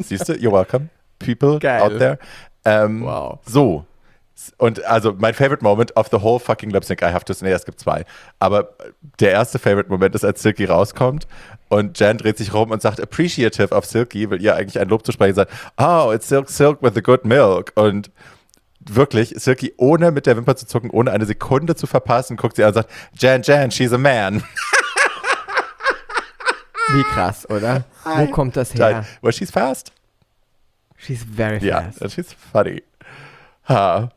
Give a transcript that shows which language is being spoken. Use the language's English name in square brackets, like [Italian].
[German] Siehst du? [English] You're welcome. People geil. Out there. Wow. [German] So. Und also mein [English] favorite moment of the whole fucking lip sync, I have to say, [German] es gibt zwei. Aber der erste favorite moment ist, als Silky rauskommt und Jen dreht sich rum und sagt [English] appreciative of Silky, [German] will ihr eigentlich ein Lob zu sprechen sein. [English] Oh, it's Silk with the good milk. [German] Und wirklich, Silky, ohne mit der Wimper zu zucken, ohne eine Sekunde zu verpassen, guckt sie an und sagt, Jen, [English] she's a man. [German] Wie krass, oder? Wo kommt das her? [English] Well, she's fast. She's very fast. Yeah, she's funny. Ha.